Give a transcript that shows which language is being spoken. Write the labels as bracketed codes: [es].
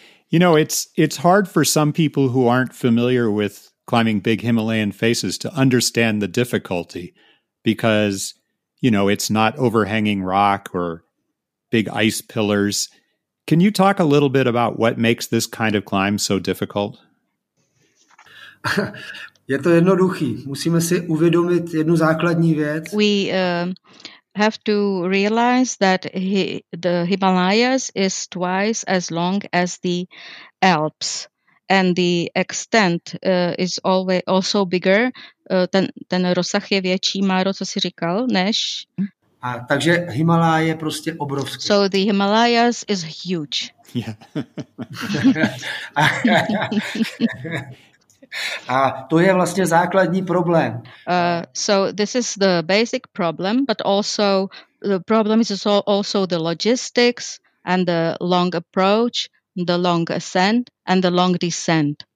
[en] You know, it's hard for some people who aren't familiar with climbing big Himalayan faces to understand the difficulty because, you know, it's not overhanging rock or big ice pillars. Can you talk a little bit about what makes this kind of climb so difficult? [cs] Je to jednoduchý. Musíme si uvědomit jednu základní věc. [en] We have to realize that the Himalayas is twice as long as the Alps, and the extent is always also bigger. [cs] Ten rozsah je větší, Máro, co jsi říkal, než? A takže Himalája je prostě obrovský. [en] So the Himalayas is huge. Yeah. [cs] A to je vlastně základní problém. [en] So this is the basic problem, but also the problem is also the logistics and the long approach, the long ascent and the long descent.